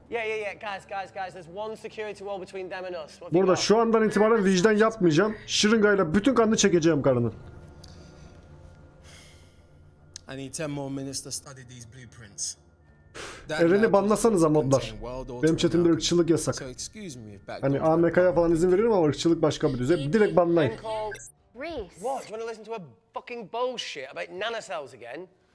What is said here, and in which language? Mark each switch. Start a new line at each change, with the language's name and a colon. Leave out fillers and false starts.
English: Yeah. Guys. There's one security wall between them and us.
Turkish: Burada şu andan itibaren vicdan yapmayacağım. Şırıngayla bütün kanını çekeceğim karının.
English: I need 10 more minutes to study these blueprints.
Turkish: Eren'i banlasanıza modlar. Benim chatimde ırkçılık yasak. Hani AMK'ya falan izin veririm ama ırkçılık başka bir düzey. Direkt banlayın.
English: Reese. What? Do you want to listen to a fucking bullshit about nanocells again?